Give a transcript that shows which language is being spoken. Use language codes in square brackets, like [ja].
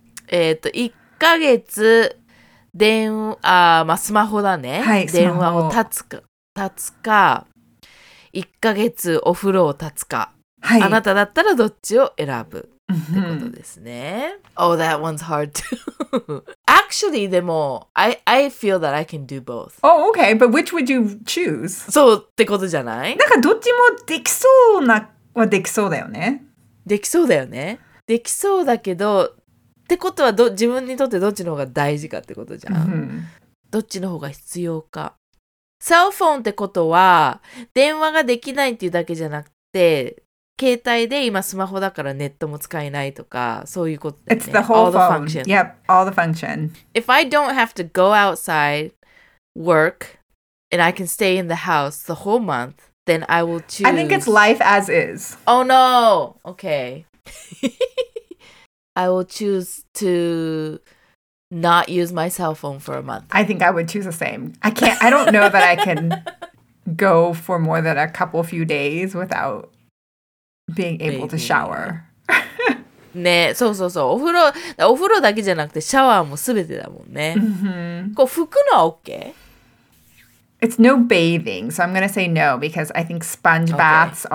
[ja] 1ヶ月電話、あ、まあ、スマホだね、はい、電話を立つか1ヶ月お風呂を立つか、はい、あなただったらどっちを選ぶってことですね。 [en] Oh, that one's hard too. Actually, でも I feel that I can do both. Oh, okay, but which would you choose? [ja] そうってことじゃない？なんかどっちもできそうなはできそうだよね。できそうだよね。できそうだけどってことは、自分にとってどっちの方が大事かってことじゃん。 Mm-hmm. どっちの方が必要か。セルフォンってことは、電話ができないっていうだけじゃなくて、携帯で今スマホだからネットも使えないとか、そういうことだよね。 [en] It's the whole all the function. Yep, all the function. If I don't have to go outside, work, and I can stay in the house the whole month, then I will choose... I think it's life as is. Oh no! Okay. I will choose to not use my cell phone for a month. I think I would choose the same. I can't, I don't know that I can go for more than a couple few days without being able、Maybe. to shower. [ja] ね、そうそうそう。お風呂だけじゃなくてシャワーも全てだもんね。 Mm-hmm. こう拭くのは OK? [en] It's no bathing, so I'm going to say no because I think sponge baths、okay.